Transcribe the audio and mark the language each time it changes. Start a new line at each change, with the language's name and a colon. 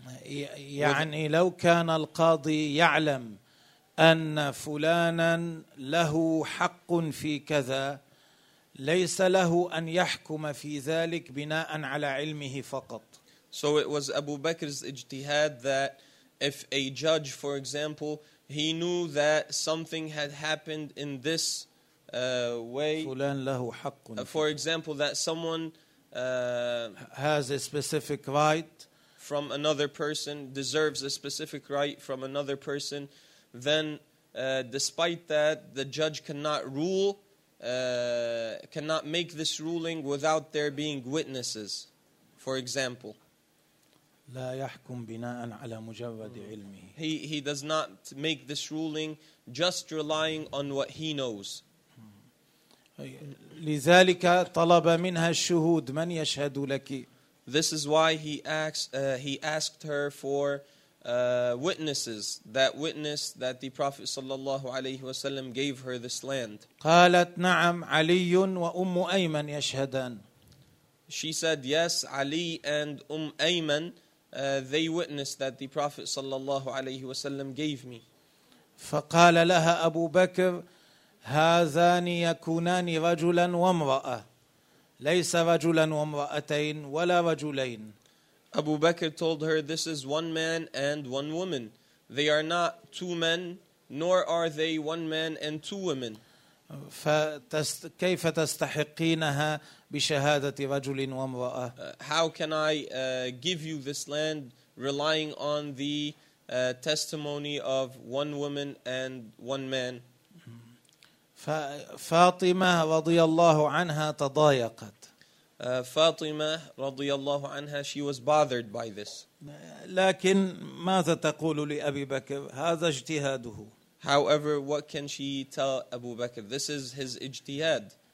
Arabic: يعني لو كان القاضي يعلم أن فلانا له حق في كذا ليس له أن يحكم في ذلك بناء على علمه فقط.
English: So it was Abu Bakr's ijtihad that if a judge, for example, he knew that something had happened in this way.
Arabic: فلان له حق.
English: For example, that someone has a specific right from another person, deserves a specific right from another person. Then, despite that, the judge cannot rule, cannot make this ruling without there being witnesses. For example,
Arabic: لا يحكم بناء على مجرد علمه.
English: He does not make this ruling just relying on what he knows.
Arabic: لذلك طلب منها الشهود من يشهد لك.
English: This is why he asked her for. Witnesses, that witness that the Prophet sallallahu alayhi wa sallam gave her this land.
Arabic: قالت نعم علي وأم أيمن يشهدان.
English: She said yes, Ali and Ayman, they witnessed that the Prophet sallallahu alayhi wa sallam gave me.
Arabic: فقال لها أبو بكر هذان يكونان رجلا وامرأة ليس رجلا وامرأتين ولا رجلين.
English: Abu Bakr told her, this is one man and one woman. They are not two men, nor are they one man and two women.
Arabic: فكيف تستحقينها بشهادة رجل وامرأة؟
English: How can I give you this land relying on the testimony of one woman and one man?
Arabic: فاطمة رضي الله عنها تضايقت.
English: Fatima رضي الله عنها, she was bothered by this.
Arabic: لكن ماذا تقول لأبي بكر؟ هذا اجتهاده.
English: However, what can she tell Abu Bakr? This is his اجتهاد.